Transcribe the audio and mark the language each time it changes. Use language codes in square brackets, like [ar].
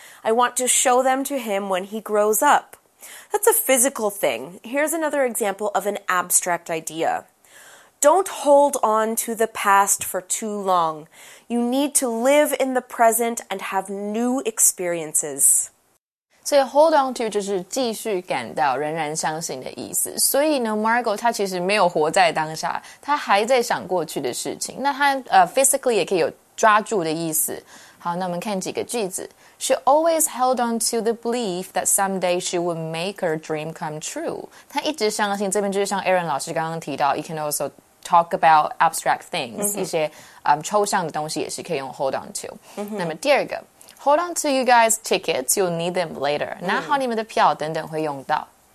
[en] I want to show them to him when he grows up. That's a physical thing. Here's another example of an abstract idea. Don't hold on to the past for too long. You need to live in the present and have new experiences. [zh] 所以 hold on to 就是继续感到仍然相信的意思。所以呢 ,Margo 她其实没有活在当下她还在想过去的事情。那她、physically 也可以有抓住的意思。好那我们看几个句子。 [en] She always held on to the belief that someday she would make her dream come true. [zh] 她一直相信这边就是像 Aaron 老师刚刚提到 [en] you can also talk about abstract things,、 [zh] mm-hmm. 一些、抽象的东西也是可以用 [en] hold on to.、Mm-hmm. 那么第二个 hold on to you guys' tickets, you'll need them later.、 [zh] Mm. 拿好你们的票等等会用到。